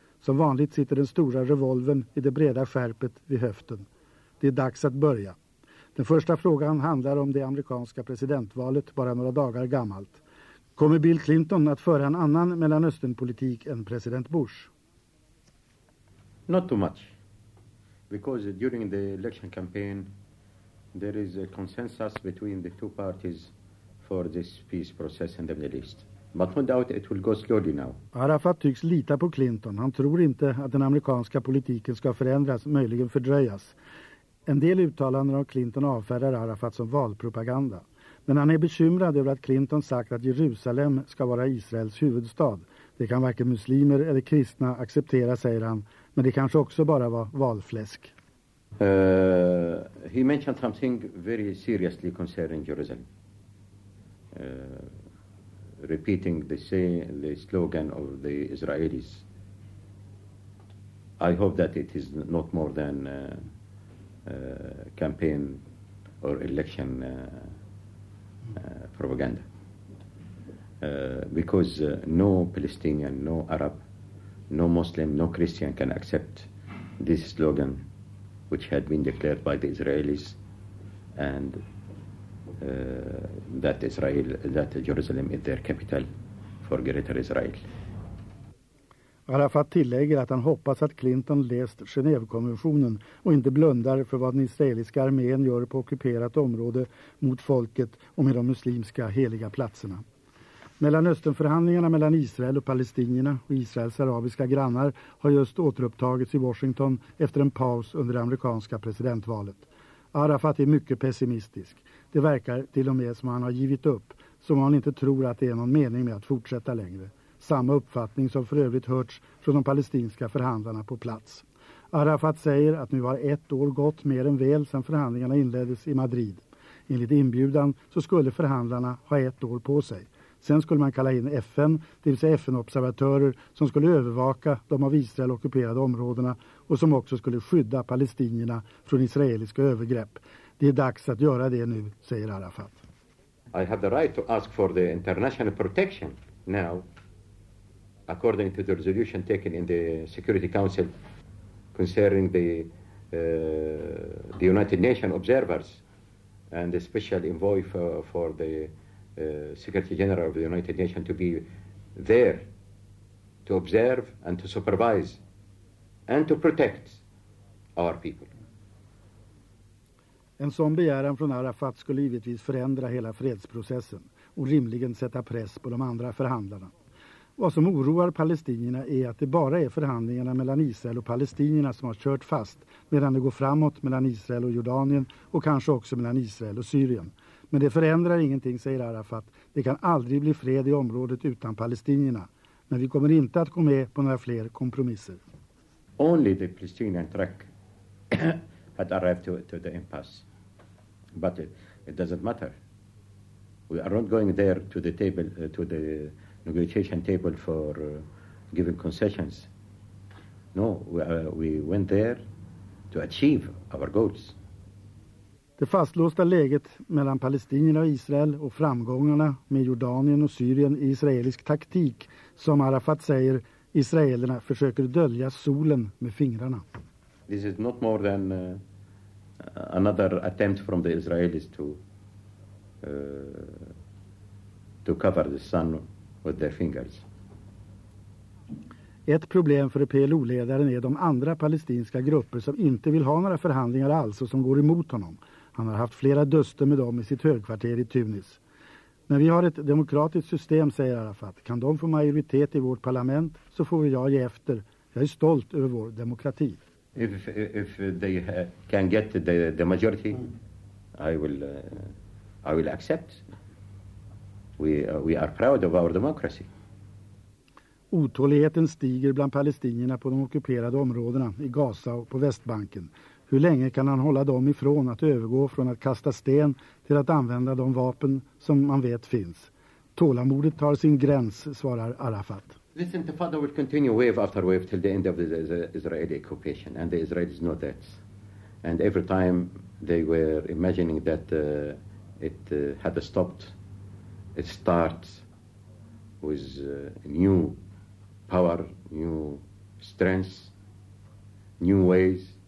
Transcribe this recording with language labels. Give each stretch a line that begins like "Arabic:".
Swedish: Som vanligt sitter den stora revolven i det breda skärpet vid höften. Det är dags att börja. Den första frågan handlar om det amerikanska presidentvalet, bara några dagar gammalt. Kommer Bill Clinton att föra en annan Mellanösternpolitik än president Bush?
English: Not too much. Because during the election campaign there is a consensus between the two parties for this peace process in the Middle East. But no doubt it will go slowly now.
Swedish: Arafat tycks lita på Clinton. Han tror inte att den amerikanska politiken ska förändras, möjligen fördröjas. En del uttalanden av Clinton avfärdar Arafat som valpropaganda. Men han är bekymrad över att Clinton sagt att Jerusalem ska vara Israels huvudstad. Det kan varken muslimer eller kristna acceptera, säger han. Men det kanske också bara var valfläsk.
English: He mentioned something very seriously concerning Jerusalem. Repeating the slogan of the Israelis. I hope that it is not more than campaign or election propaganda. Because no Palestinian, no Arab, no Muslim, no Christian can accept this slogan which had been declared by the Israelis and that Jerusalem is their capital for greater Israel.
Swedish: Arafat tillägger att han hoppas att Clinton läst Genèvekonventionen och inte blundar för vad den israeliska armén gör på ockuperat område mot folket och med de muslimska heliga platserna. Mellanösternförhandlingarna mellan Israel och palestinierna och Israels arabiska grannar har just återupptagits i Washington efter en paus under det amerikanska presidentvalet. Arafat är mycket pessimistisk. Det verkar till och med som han har givit upp, som han inte tror att det är någon mening med att fortsätta längre. Samma uppfattning som för övrigt hörts från de palestinska förhandlarna på plats. Arafat säger att nu har ett år gått mer än väl sedan förhandlingarna inleddes i Madrid. Enligt inbjudan så skulle förhandlarna ha ett år på sig. Sen skulle man kalla in FN, det vill säga FN-observatörer som skulle övervaka de av Israel ockuperade områdena och som också skulle skydda palestinierna från israeliska övergrepp. Det är dags att göra det nu, säger Arafat.
English: I have the right to ask for the international protection now according to the resolution taken in the Security Council concerning the United Nations observers and the special envoy for the Secretary General of the United Nations to be there to observe and to supervise and to protect our people.
Swedish: En sån begäran från Arafat skulle givetvis förändra hela fredsprocessen och rimligen sätta press på de andra förhandlarna. Vad som oroar palestinierna är att det bara är förhandlingarna mellan Israel och palestinierna som har kört fast, medan det går framåt mellan Israel och Jordanien och kanske också mellan Israel och Syrien. Men det förändrar ingenting, säger Arafat. Det kan aldrig bli fred i området utan palestinierna. Men vi kommer inte att gå med på några fler kompromisser.
English: Only the Palestinian track had arrived to the impasse. But it doesn't matter. We are not going there to the table, to the negotiation table for giving concessions. No, we went there to achieve our goals.
Swedish: Det fastlåsta läget mellan palestinierna och Israel och framgångarna med Jordanien och Syrien i israelisk taktik, som Arafat säger, israelerna försöker dölja solen med fingrarna.
English: This is not more than another attempt from the Israelis to cover the sun with their fingers.
Swedish: Ett problem för PLO-ledaren är de andra palestinska grupper som inte vill ha några förhandlingar alls och som går emot honom. Han har haft flera duster med dem i sitt högkvarter i Tunis. När vi har ett demokratiskt system, säger Arafat, kan de få majoritet i vårt parlament, så får jag ge efter. Jag är stolt över vår demokrati.
English: If they can get the majority, I will accept. We are proud of our democracy.
Swedish: Otåligheten stiger bland palestinierna på de ockuperade områdena i Gaza och på Västbanken. Hur länge kan han hålla dem ifrån att övergå från att kasta sten till att använda de vapen som man vet finns? Tålamodet tar sin gräns, svarar Arafat.
English: This intifada will continue wave after wave till the end of the Israeli occupation, and the Israelis know that. And every time they were imagining that it had stopped, it starts with new power, new strength, new ways.